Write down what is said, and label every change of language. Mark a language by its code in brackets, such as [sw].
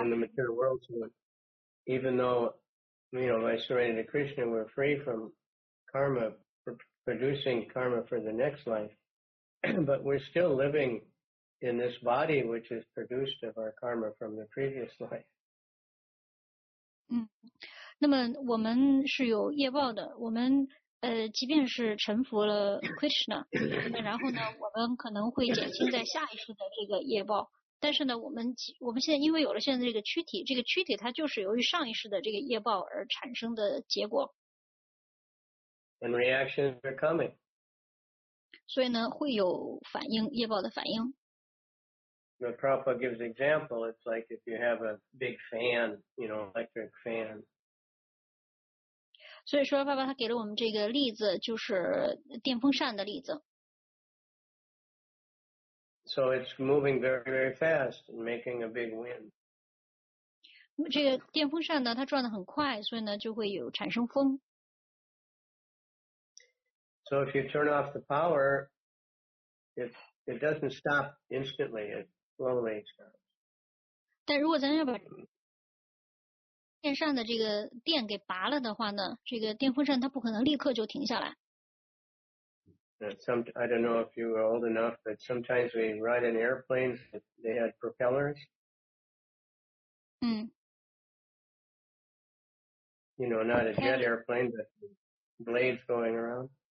[en] In the material world, even though, you know, by surrendering to Krishna, we're free from karma, producing karma for the next life. But we're still living in this body, which is produced of our karma from the previous life. [zh] 那么我们是有业报的，我们即便是臣服了 Krishna， 那然后呢，我们可能会减轻在下一世的这个业报，但是呢，我们现在因为有了现在这个躯体，这个躯体它就是由于上一世的这个业报而产生的结果。 [en] And reactions are coming. [zh] 所以呢，会有反应，业报的反应。 [en] The Prabhupada gives an example. It's like if you have a big fan, you know, electric fan. [zh] 所以说，爸爸他给了我们这个例子，就是电风扇的例子。 [en] So it's moving very, very fast and making a big wind. [zh] 这个电风扇呢，它转得很快，所以呢，就会有产生风。 [en] So if you turn off the power, it doesn't stop instantly. It slowly stops. [zh] 但如果咱要把电扇的这个电给拔了的话呢，这个电风扇它不可能立刻就停下来。 [en] I don't know if you were old enough, but sometimes we ride in airplanes, they had propellers. You know, not a jet airplane, but blades going around.